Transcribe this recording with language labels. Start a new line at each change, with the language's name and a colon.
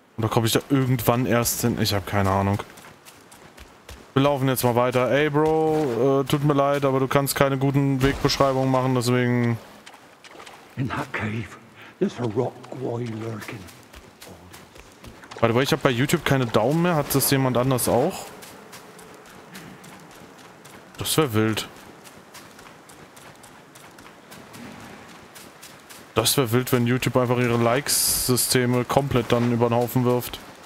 German: Komme ich da irgendwann erst hin? Ich habe keine Ahnung. Wir laufen jetzt mal weiter. Ey, Bro, tut mir leid, aber du kannst keine guten Wegbeschreibungen machen, deswegen.
English: In that cave, there's a rock boy lurking.
German: Warte, weil ich habe bei YouTube keine Daumen mehr. Hat das jemand anders auch? Das wäre wild. Das wäre wild, wenn YouTube einfach ihre Likes-Systeme komplett dann über den Haufen wirft.